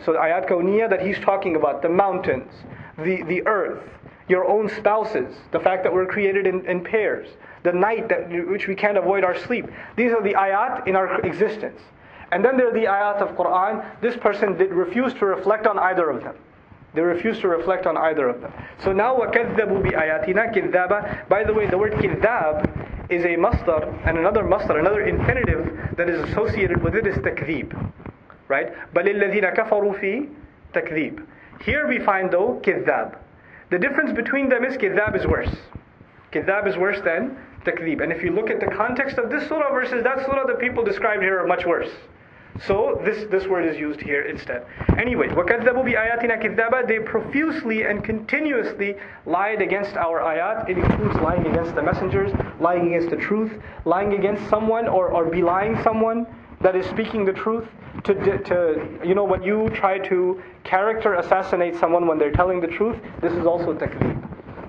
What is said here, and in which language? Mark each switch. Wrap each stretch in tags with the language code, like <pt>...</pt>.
<en>So the ayat kauniya that he's talking about, the mountains, the earth, your own spouses, the fact that we're created in pairs, the night that which we can't avoid our sleep. These are the ayat in our existence. And then there are the ayat of Qur'an. This person did refuse to reflect on either of them. They refused to reflect on either of them. So now,</en> <ar>وَكَذَّبُوا بِآيَاتِنَا كِذَّابًا.</ar> <en>By the way, the word كِذَّاب is a masdar, and another infinitive that is associated with it is takdhib. Right?</en> <ar>بَلِلَّذِينَ كَفَرُوا فِي takdhib.</ar> <en>Here we find though, كِذَّاب. The difference between them is كِذَّاب is worse. كِذَّاب is worse than takdhib. And if you look at the context of this surah versus that surah, the people described here are much worse. So this word is used here instead. Anyway,</en> <ar>وَكَذَّبُوا بِآيَاتِنَا كِذَّابًا.</ar> <en>They profusely and continuously lied against our ayat. It includes lying against the messengers, lying against the truth, lying against someone or belying someone that is speaking the truth. To you know, when you try to character assassinate someone when they're telling the truth, this is also takdhib.</en>